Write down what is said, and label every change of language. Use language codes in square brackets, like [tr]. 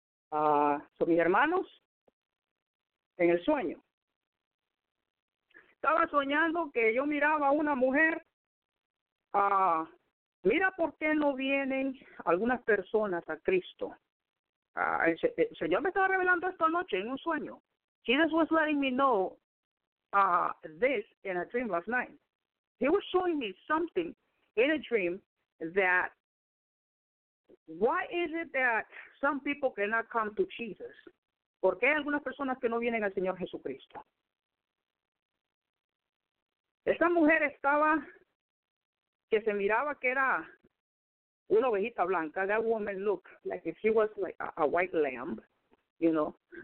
[es] So mis hermanos, en el sueño. Estaba soñando que yo miraba a una mujer. Mira por qué no vienen algunas personas a Cristo. El Señor me estaba revelando esto anoche en un sueño. [en] Jesus was letting me know this in a dream last night. He was showing me something in a dream that why is it that some people cannot come to Jesus? [es] ¿Por qué hay algunas personas que no vienen al Señor Jesucristo? Esta mujer estaba, que se miraba que era una ovejita blanca. [en] That woman looked like if she was like a white lamb, you know.